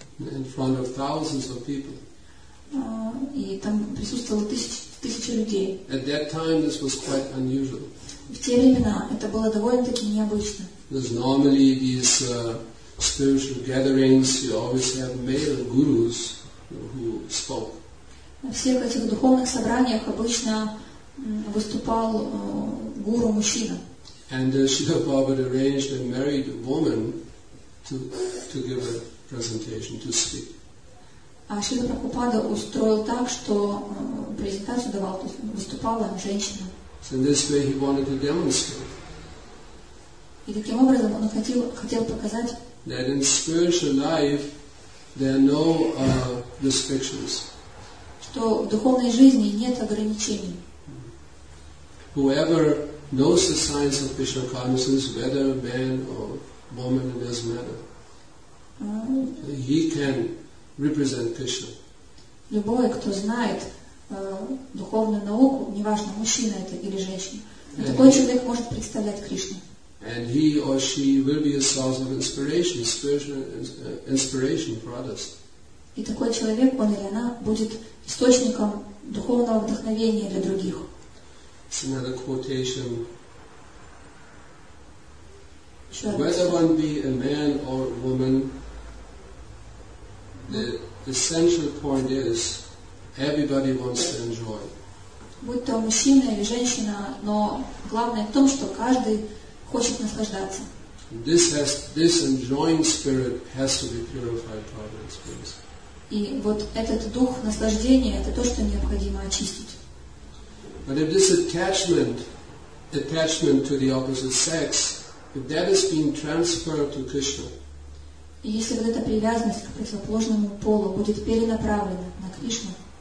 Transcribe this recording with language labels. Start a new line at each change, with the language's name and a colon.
English: In front of thousands of people.
Russian: И там присутствовало тысячи людей.
English: At that time this was quite unusual.
Russian: В те времена это было довольно-таки необычно.
English: Because normally these spiritual gatherings, you always have male gurus who spoke.
Russian: На всех этих духовных собраниях обычно выступал гуру мужчина.
English: And Srila Prabhupada arranged a married woman to give a presentation to speak.
Russian: А Шрила Прабхупада устроил так, что презентацию давал, то есть выступала женщина.
English: So in this way he wanted to demonstrate.
Russian: И таким образом он хотел показать.
English: That in spiritual life there are no restrictions.
Russian: Что в духовной жизни нет ограничений.
English: Whoever knows the science of Krishna consciousness, whether man or woman, it doesn't matter. He can represent Krishna.
Russian: Любой, кто знает духовную науку, неважно, мужчина это или женщина, но такой человек может представлять Кришну.
English: And he or she will be a source of inspiration, spiritual inspiration for others.
Russian: И такой человек, он или она, будет источником духовного вдохновения для других.
English: It's another quotation. Whether one be a man or a woman, the essential point is everybody wants to enjoy.
Russian: Будь то мужчина или женщина, но главное в том, что каждый хочет наслаждаться.
English: This enjoying spirit has to be purified by the experience.
Russian: И вот этот дух наслаждения, это то, что необходимо очистить.
English: But if this attachment to the opposite sex, if that is being transferred to Krishna,
Russian: И если вот эта привязанность к противоположному полу будет перенаправлена на Кришну,